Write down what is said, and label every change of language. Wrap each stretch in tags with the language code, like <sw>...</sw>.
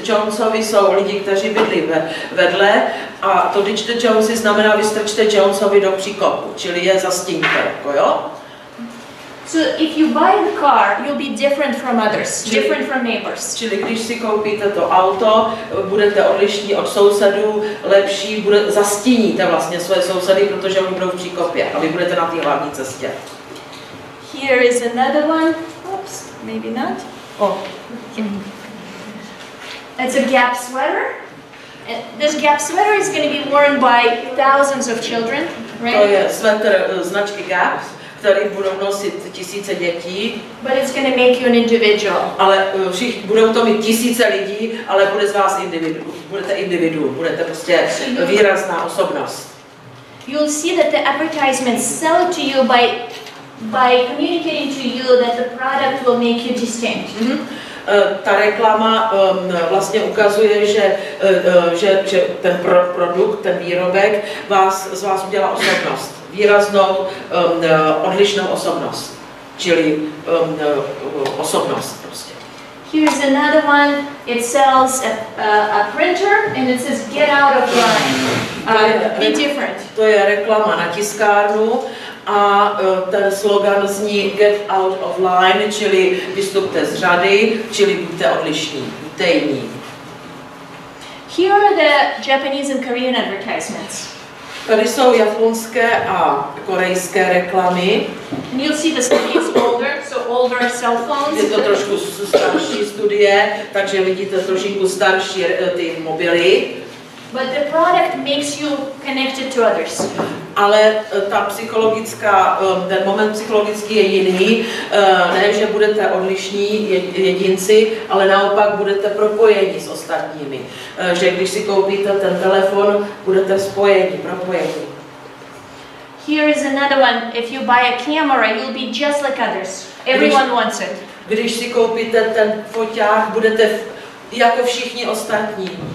<cs>Jonesovi jsou lidi, kteří bydlí vedle, a to</cs> <en>"Ditch the Joneses"</en> <cs>znamená vystrčte Jonesovi do příkopu, čili je zastínka, jako jo?</cs> <en>So if you buy the car, you'll be different from others, different from neighbors.</en> <cs>Čili když si koupíte to auto, budete odlišní od sousedů, lepší, zastíníte vlastně svoje sousedy, protože oni budou v příkopě a vy budete na té hlavní cestě.</cs> <en>Here is another one. Oops, maybe not. It's a Gap sweater. This Gap sweater is going to be worn by thousands of children, right?</en> <cs>To je sweater značky Gap, který budou nosit tisíce dětí.</cs> <en>But it's going to make you an individual.</en> <cs>Ale budou to mít tisíce lidí, ale bude z vás individuum, budete prostě výrazná osobnost.</cs> <en>You'll see that the advertisements sell to you by communicating to you that the product will make you distinct.</en> <cs>Ta reklama vlastně ukazuje, že ten produkt, ten výrobek z vás udělá osobnost. Výraznou, odlišnou osobnost. čili osobnost prostě.</cs> <en>Here's another one. It sells a printer and it says get out of line. Be different.</en> <cs>To je reklama na tiskárnu a ten slogan zní</cs> <en>get out of line,</en> <cs>čili vystupte z řady, čili buďte odlišní, buďte jiní.</cs> <en>Here are the Japanese and Korean advertisements.</en> <cs>Tady jsou japonské a korejské reklamy.</cs> <en>And you'll see the study is older, so older cell phones.</en> <cs>Je to trošku starší studie, takže vidíte trošku starší ty mobily.</cs> <en>But the product makes you connected to others.</en> <cs>Ale ta psychologická, ten moment psychologický je jiný. Ne, že budete odlišní jedinci, ale naopak budete propojeni s ostatními. Že když si koupíte ten telefon, budete spojeni, propojeni.</cs> <en>Here is another one. If you buy a camera, you'll be just like others. Everyone wants it.</en> <cs>Když si koupíte ten foťák, budete jako všichni ostatní.</cs>